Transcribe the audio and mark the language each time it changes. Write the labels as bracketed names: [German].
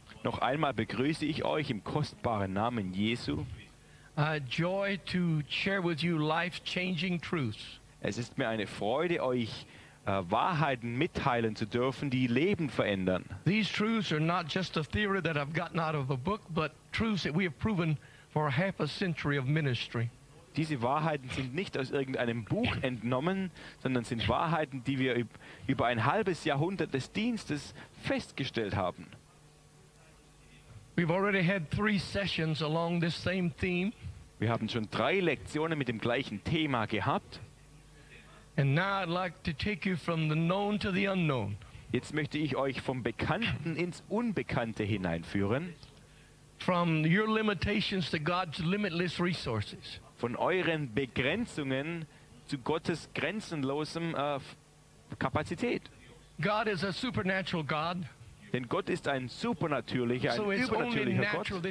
[German] Noch einmal begrüße ich euch im kostbaren Namen Jesu. [English] A joy to share with you life-changing truths. [German] Es ist mir eine Freude, euch Wahrheiten mitteilen zu dürfen, die Leben verändern. [English] These truths are not just a theory that I've gotten out of a book, but truths that we have proven for half a century of ministry. [German] Diese Wahrheiten sind nicht aus irgendeinem Buch entnommen, sondern sind Wahrheiten, die wir über ein halbes Jahrhundert des Dienstes festgestellt haben. [English] We've already had three sessions along this same theme. [German] Wir haben schon drei Lektionen mit dem gleichen Thema gehabt. [English] And now I'd like to take you from the known to the unknown. [German] Jetzt möchte ich euch vom Bekannten ins Unbekannte hineinführen. [English] From your limitations to God's limitless resources. [German] Von euren Begrenzungen zu Gottes grenzenlosem Kapazität. [English] God is a supernatural God. [German] Denn Gott ist ein supernatürlicher, ein übernatürlicher Gott.